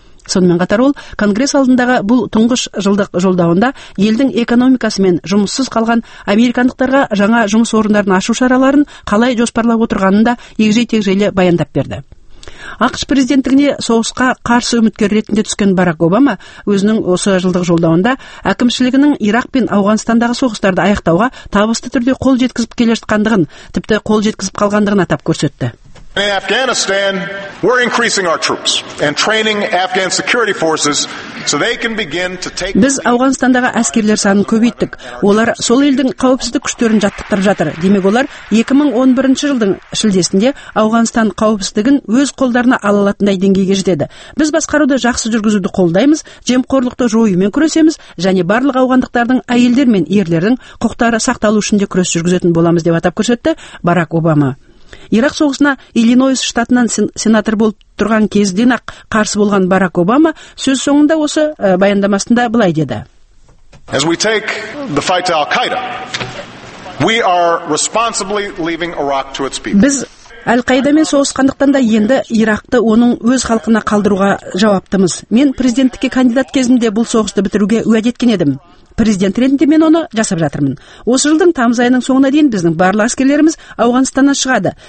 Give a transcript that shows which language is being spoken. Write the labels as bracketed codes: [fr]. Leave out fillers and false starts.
[kk] Сонымен қатар ол, Конгресс алдындағы бұл тұңғыш жылдық жолдауында елдің экономикасы мен жұмыссыз қалған американдықтарға жаңа жұмыс орындарын ашу шараларын қалай жоспарлап отырғанын да егжей-тегжейлі баяндап берді. АҚШ президенттігіне соғысқа қарсы үміткер ретінде түскен Барак Обама өзінің осы жылдық жолдауында әкімшілігінің Ирақ пен Ауғанстандағы соғыстарды аяқтауға табысты түрде қол жеткізіп келе жатқандығын, тіпті қол жеткізіп қалғандығын атап көрсетті. [en] In Afghanistan, we're increasing our troops and training Afghan security forces [kk] Біз Ауғанстандағы әскерлер санын көбейттік. Олар сол елдің қауіпсіздік күштерін жаттықтырып жатыр. Демек олар 2011 жылдың шілдесінде Ауғанстан қауіпсіздігін өз қолдарына ала алатындай деңгейге жетеді. Біз басқаруды жақсы жүргізуді қолдаймыз, жемқорлықты жоюмен күресеміз және барлық ауғандықтардың әйелдер мен ерлердің құқықтары сақталу үшін де күрес жүргізетін боламыз деп атап көрсетті Барак Обама. Ирак соғысына Иллинойс штатынан сенатор болып тұрған кезден ақ қарсы болған Барак Обама сөз соңында осы баяндамасында былай деді. [en] As we take the fight to Al-Qaeda, we are responsibly leaving Iraq to its people. [kk] Біз Әл-Қайда мен соғысқандықтан да енді Иракты оның өз халқына қалдыруға жауаптымыз. Мен президенттікке кандидат кезімде бұл соғысты бітіруге уәде еткен едім. Президент ретінде мен оны жасап жатырмын. Осы жылдың тамыз айының соңына дейін біздің барлық әскерлеріміз Ауғанстаннан шығады.